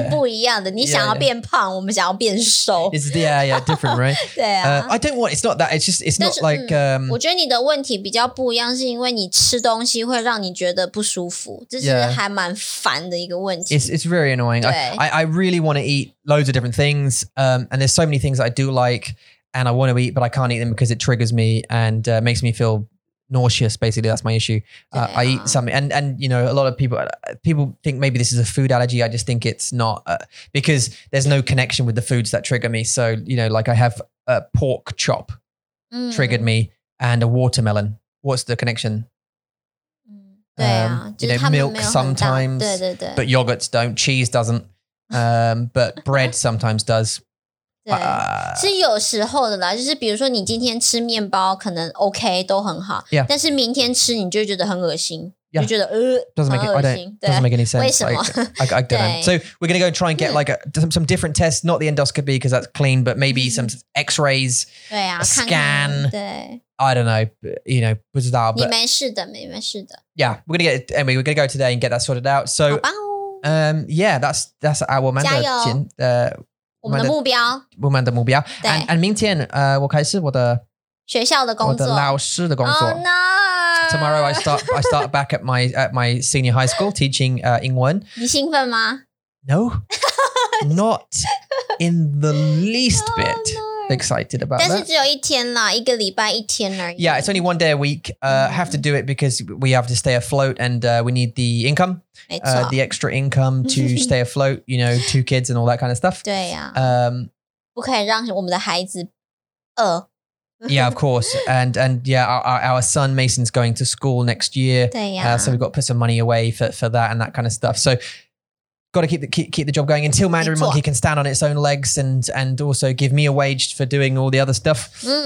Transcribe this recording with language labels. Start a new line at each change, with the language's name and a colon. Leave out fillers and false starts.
Chinese: 身为女人知道你的感觉，我们女人也是，但是是不一样的。你想要变胖，我们想要变瘦。
English: Yeah, yeah, yeah, different, right?
Chinese: 对啊。
English: I don't want, it's not that, it's just, it's not like...
Chinese: 我觉得你的问题比较不一样是因为你吃东西会让你觉得不舒服，这是还蛮烦的一个问题。
English: It's very annoying. I really want to eat loads of different things, and there's so many things I do like, and I want to eat, but I can't eat them because it triggers me and makes me feel... nauseous, basically, that's my issue. I eat something, and you know, a lot of people think maybe this is a food allergy. I just think it's not because there's no connection with the foods that trigger me. So, you know, like I have a pork chop triggered me and a watermelon. What's the connection?
Chinese: 对啊,
English: you know, milk sometimes, but yogurts don't, cheese doesn't. But bread sometimes does.
Chinese: 对，是有时候的啦，就是比如说你今天吃面包可能 OK 都很好，
English: yeah.
Chinese: 但是明天吃你就觉得很恶心。
English: Yeah.
Chinese: 就觉得,
English: doesn't make it, I don't, doesn't make any sense.
Chinese: 为什么?
English: I don't know. So we're going to go try and get like a, some different tests, not the endoscopy because that's clean, but maybe some x-rays,
Chinese: 对啊,
English: a scan.
Chinese: 对,
English: I don't know, but, you know,
Chinese: 不知道,
English: but,
Chinese: 你没事的, 你没事的。
English: Yeah, we're going to get, anyway, we're going to go today and get that sorted out. So, yeah, that's our Woman.
Chinese: 加油。我们的目标。 Woman 的目标。
English: And
Chinese: 明天, 我开始我的学校的工作。我的老师的工作。
English: Oh, no! Tomorrow I start back at my senior high school teaching English.
Chinese: 你兴奋吗?
English: No, not in the least bit excited about that.
Chinese: 但是只有一天啦，一个礼拜一天而已。
English: Yeah, it's only one day a week. Have to do it because we have to stay afloat and we need the income.
Chinese: 没错。
English: The extra income to stay afloat, you know, two kids and all that kind of stuff.
Chinese: 对呀。不可以让我们的孩子饿。
English: Yeah, of course. And yeah, our son Mason's going to school next year. So we've got to put some money away for that and that kind of stuff. So got to keep the job going until Mandarin Monkey can stand on its own legs and also give me a wage for doing all the other stuff.